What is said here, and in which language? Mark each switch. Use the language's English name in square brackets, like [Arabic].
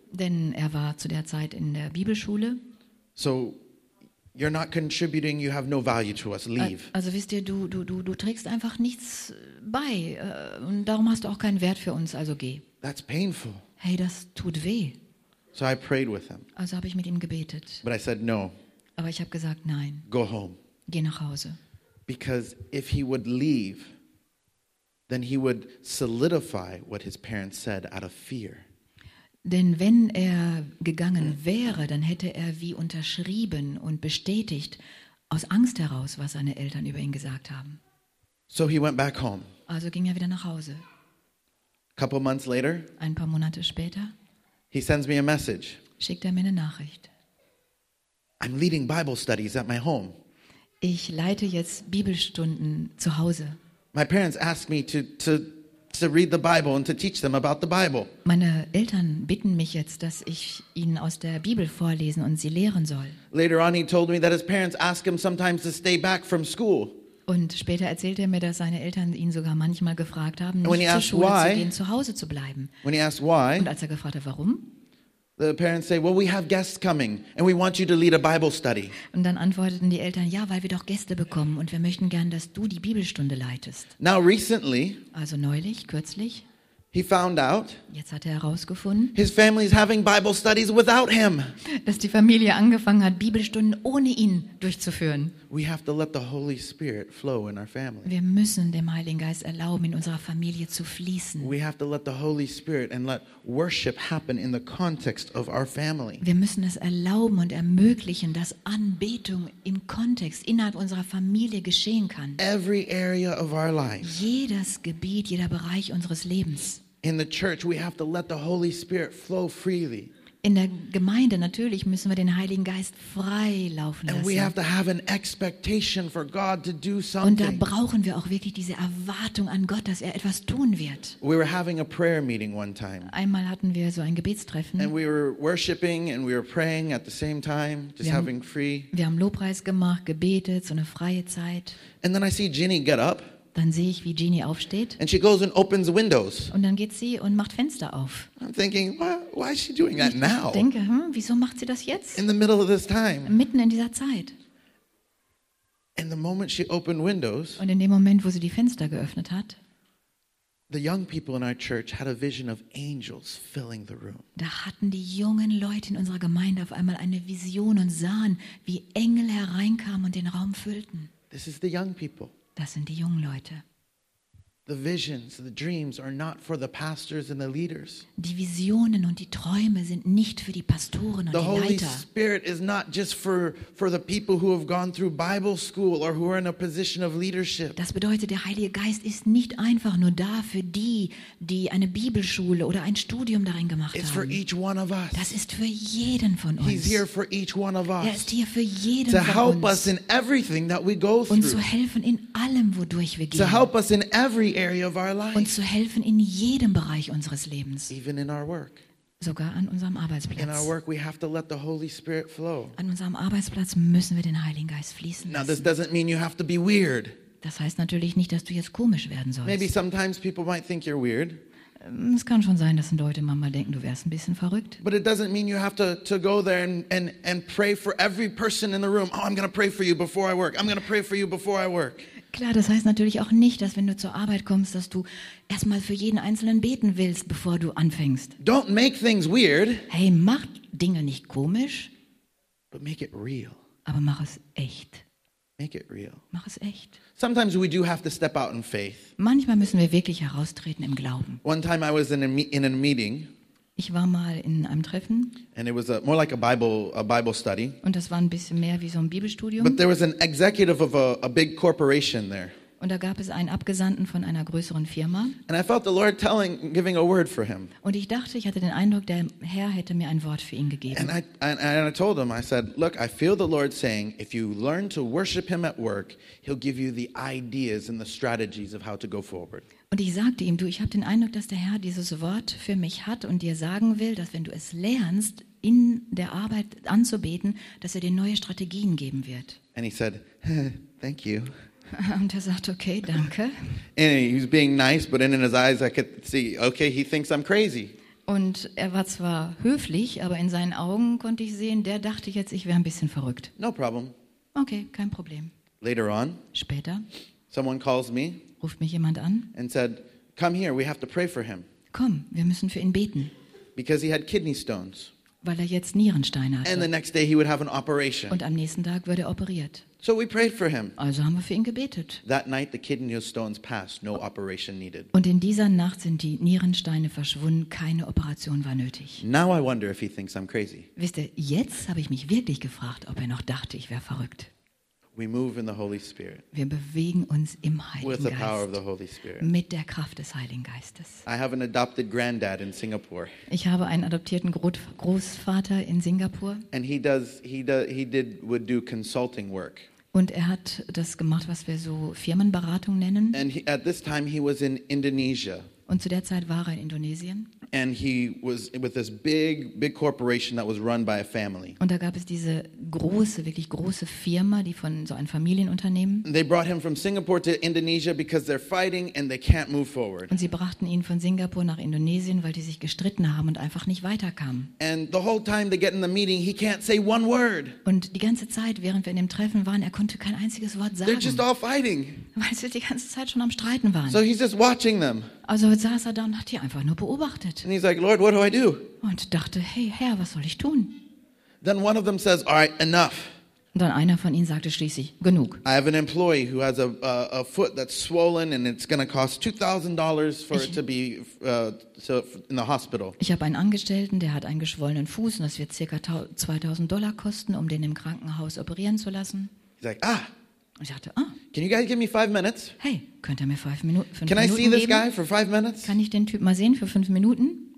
[German] Denn er war zu der Zeit in der Bibelschule. [English] So, you're not contributing, you have no value to us, leave. [German] Also wisst ihr, du trägst einfach nichts bei und darum hast du auch keinen Wert für uns, also geh. [English] That's painful. [German] Hey, das tut weh. [English] So I prayed with him. [German] Also habe ich mit ihm gebetet. [English] But I said no. [German] Aber ich habe gesagt nein. [English] Go home. [German] Geh nach Hause. [English] Because if he would leave, then he would solidify what his parents said out of fear. [German] Denn wenn er gegangen wäre, dann hätte er wie unterschrieben und bestätigt aus Angst heraus, was seine Eltern über ihn gesagt haben. [English] So he went back home. [German] Also ging er wieder nach Hause. [English] Couple months later, [German] ein paar Monate später, [English] he sends me a message. [German] Schickt er mir eine Nachricht. [English] I'm leading Bible studies at my home. [German] Ich leite jetzt Bibelstunden zu Hause. [English] My parents ask me to read the Bible and to teach them about the Bible. [German] Meine Eltern bitten mich jetzt, dass ich ihnen aus der Bibel vorlesen und sie lehren soll. [English] Later on, he told me that his parents ask him sometimes to stay back from school. [German] Und später erzählt er mir, dass seine Eltern ihn sogar manchmal gefragt haben, nicht zur Schule zu gehen, zu Hause zu bleiben. [English] When he asked why, [German] und als er gefragt hat, warum? [English] The parents say, well, we have guests coming and we want you to lead a Bible study. [German] Und dann antworteten die Eltern, ja, weil wir doch Gäste bekommen und wir möchten gern, dass du die Bibelstunde leitest. [English] Now recently, [German] also neulich, kürzlich, [English] he found out, [German] jetzt hat er herausgefunden, [English] his family is having Bible studies without him. [German] Dass die Familie angefangen hat, Bibelstunden ohne ihn durchzuführen. [English] We have to let the Holy Spirit flow in our family. [German] Wir müssen dem Heiligen Geist erlauben, in unserer Familie zu fließen. [English] We have to let the Holy Spirit and let worship happen in the context of our family. [German] Wir müssen es erlauben und ermöglichen, dass Anbetung im Kontext innerhalb unserer Familie geschehen kann. [English] Every area of our life. [German] Jedes Gebiet, jeder Bereich unseres Lebens. [English] In the church we have to let the Holy Spirit flow freely. [German] In der Gemeinde natürlich müssen wir den Heiligen Geist frei laufen lassen. [English] And we have to have an expectation for God to do something. [German] Und da brauchen wir auch wirklich diese Erwartung an Gott, dass er etwas tun wird. [English] We were having a prayer meeting one time. [German] Einmal hatten wir so ein Gebetstreffen. [English] And we were worshiping and we were praying at the same time, just having free. [German] Wir haben Lobpreis gemacht, gebetet, so eine freie Zeit. [English] And then I see Ginny get up. [German] Dann sehe ich, wie Jeannie aufsteht. [English] And she goes and opens windows. [German] Und dann geht sie und macht Fenster auf. [English] I'm thinking, why is she doing that now? [German] Ich denke, wieso macht sie das jetzt? [English] In the middle of this time. [German] Mitten in dieser Zeit. [English] And the moment she opened windows. [German] Und in dem Moment, wo sie die Fenster geöffnet hat. [English] The young people in our church had a vision of angels filling the room. [German] Da hatten die jungen Leute in unserer Gemeinde auf einmal eine Vision und sahen, wie Engel hereinkamen und den Raum füllten. [English] This is the young people. [German] Das sind die jungen Leute. [English] The visions, the dreams are not for the pastors and the leaders. [German] Die Visionen und die Träume sind nicht für die Pastoren und die [English] Holy [German] Leiter. [English] The Holy Spirit is not just for the people who have gone through Bible school or who are in a position of leadership. [German] Das bedeutet, der Heilige Geist ist nicht einfach nur da für die, die eine Bibelschule oder ein Studium darin gemacht [English] it's [German] haben. [English] It's for each one of us. [German] Das ist für jeden von uns. [English] He's here for each one of us. [German] Er ist hier für jeden [English] to [German] von uns. [English] To help us in everything that we go through. [German] Und zu helfen in allem, wodurch wir gehen. [English] To help us in every area of our life. [German] Und zu helfen in jedem Bereich unseres Lebens. [English] Even in our work. [German] Sogar an unserem Arbeitsplatz. [English] In our work we have to let the Holy Spirit flow. [German] An unserem Arbeitsplatz müssen wir den Heiligen Geist fließen lassen. [English] Now this doesn't mean you have to be weird. [German] Das heißt natürlich nicht, dass du jetzt komisch werden sollst. [English] Maybe sometimes people might think you're weird. [German] Es kann schon sein, dass Leute manchmal denken, du wärst ein bisschen verrückt. [English] But it doesn't mean you have to go there and pray for every person in the room. Oh, I'm going to pray for you before I work. I'm going to pray for you before I work. [German] Klar, das heißt natürlich auch nicht, dass wenn du zur Arbeit kommst, dass du erstmal für jeden Einzelnen beten willst, bevor du anfängst. [English] Don't make things weird. [German] Hey, mach Dinge nicht komisch. [English] But make it real. [German] Aber mach es echt. [English] Make it real. [German] Mach es echt. [English] Sometimes we do have to step out in faith. [German] Manchmal müssen wir wirklich heraustreten im Glauben. [English] One time I was in a meeting. [German] Ich war mal in einem Treffen. [English] And it was more like a Bible study. [German] Und das war ein bisschen mehr wie so ein Bibelstudium. [English] But there was an executive of a big corporation there. [German] Und da gab es einen Abgesandten von einer größeren Firma. [English] And I felt the Lord giving a word for him. [German] Und ich dachte, ich hatte den Eindruck, der Herr hätte mir ein Wort für ihn gegeben. [English] And I told him, I said, look, I feel the Lord saying, if you learn to worship him at work, he'll give you the ideas and the strategies of how to go forward. [German] Und ich sagte ihm, du, ich habe den Eindruck, dass der Herr dieses Wort für mich hat und dir sagen will, dass wenn du es lernst, in der Arbeit anzubeten, dass er dir neue Strategien geben wird. [English] And he said, thank you. [German] Und er sagt, okay, danke. [English] Anyway, he was being nice, but in his eyes I could see, okay, he thinks I'm crazy. [German] Und er war zwar höflich, aber in seinen Augen konnte ich sehen, der dachte jetzt, ich wäre ein bisschen verrückt. [English] No problem. [German] Okay, kein Problem. [English] Later on. [German] Später. [English] Someone calls me. [German] Ruft mich jemand an. [English] And said, come here, we have to pray for him. [German] Komm, wir müssen für ihn beten. [English] Because he had kidney stones. [German] Weil er jetzt Nierensteine hatte. [English] And the next day he would have an operation. [German] Und am nächsten Tag wurde er operiert. [English] So we prayed for him. [German] Also haben wir für ihn gebetet. [English] That night the kidney stones passed, no operation needed. [German] Und in dieser Nacht sind die Nierensteine verschwunden, keine Operation war nötig. [English] Now I wonder if he thinks I'm crazy. [German] Wisst ihr, jetzt habe ich mich wirklich gefragt, ob er noch dachte, ich wäre verrückt. [English] We move in the Holy Spirit. [German] Wir bewegen uns im Heiligen [English] with the [German] Geist. [English] Power of the Holy Spirit. [German] Mit der Kraft des Heiligen Geistes. [English] I have an adopted granddad in Singapore. [German] Ich habe einen adoptierten Großvater in Singapur. [English] And he would do consulting work. [German] Und er hat das gemacht, was wir so Firmenberatung nennen. [English] And at this time he was in Indonesia. [German] Und zu der Zeit war er in Indonesien. [English] And he was with this big, big corporation that was run by a family. [German] Und da gab es diese große, wirklich große Firma, die von so einem Familienunternehmen. [English] They brought him from Singapore to Indonesia because they're fighting and they can't move forward. [German] Und sie brachten ihn von Singapur nach Indonesien, weil die sich gestritten haben und einfach nicht weiterkamen. [English] And the whole time they get in the meeting, he can't say one word. [German] Und die ganze Zeit, während wir in dem Treffen waren, er konnte kein einziges Wort sagen. [English] They're just all fighting. [German] Weil sie die ganze Zeit schon am Streiten waren. [English] So he's just watching them. [German] Also saß er da und hat die einfach nur beobachtet. [English] And he's like, Lord, what do I do? [German] Und dachte, hey Herr, was soll ich tun? [English] Then one of them says, all right, enough. [German] Und dann einer von ihnen sagte schließlich, genug. [English] I have an employee who has a foot that's swollen and it's going to cost $2,000 for it to be in the hospital. [German] Ich habe einen Angestellten, der hat einen geschwollenen Fuß und das wird ca. $2,000 kosten, um den im Krankenhaus operieren zu lassen. [English] He's like, ah. [German] Und ich dachte, ah. [English] Can you guys give me 5 minutes? [German] Hey, könnt ihr mir 5 Minuten geben? [English] Can I see this guy for 5 minutes? [German] Kann ich den Typ mal sehen für 5 Minuten?